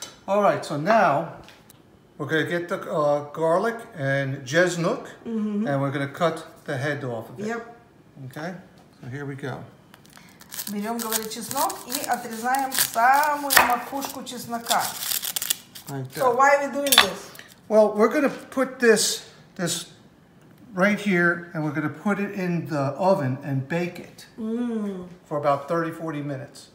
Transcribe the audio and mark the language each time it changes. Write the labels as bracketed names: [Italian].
[English] All right, so now we're going to get the garlic and jesnuk, mm-hmm. and we're going to cut the head off of it. Yep. Okay, so here we go. [Russian] Берем, говорит, чеснок и отрезаем самую макушку чеснока. [English] Like so why are we doing this? Well, we're going to put this right here, and we're going to put it in the oven and bake it for about 30-40 minutes.